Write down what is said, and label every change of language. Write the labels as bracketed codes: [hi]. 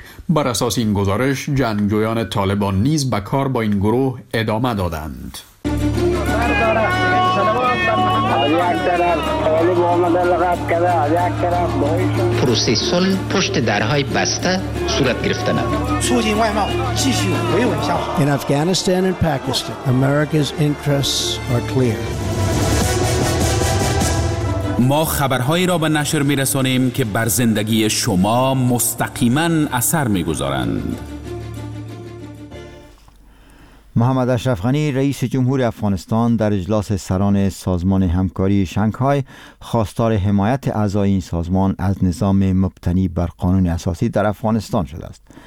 [fa] بر اساس این گزارش جنگجویان طالبان نیز به کار با این گروه ادامه دادند. پروسه صلح پشت درهای بسته صورت گرفته نمی. [en] In Afghanistan and Pakistan, America's interests are clear. [fa] ما خبرهایی را به نشر می رسانیم که بر زندگی شما مستقیما اثر می گذارند. محمد اشرف غنی رئیس جمهور افغانستان در اجلاس سران سازمان همکاری شانگهای خواستار حمایت اعضای این سازمان از نظام مبتنی بر قانون اساسی در افغانستان شده است.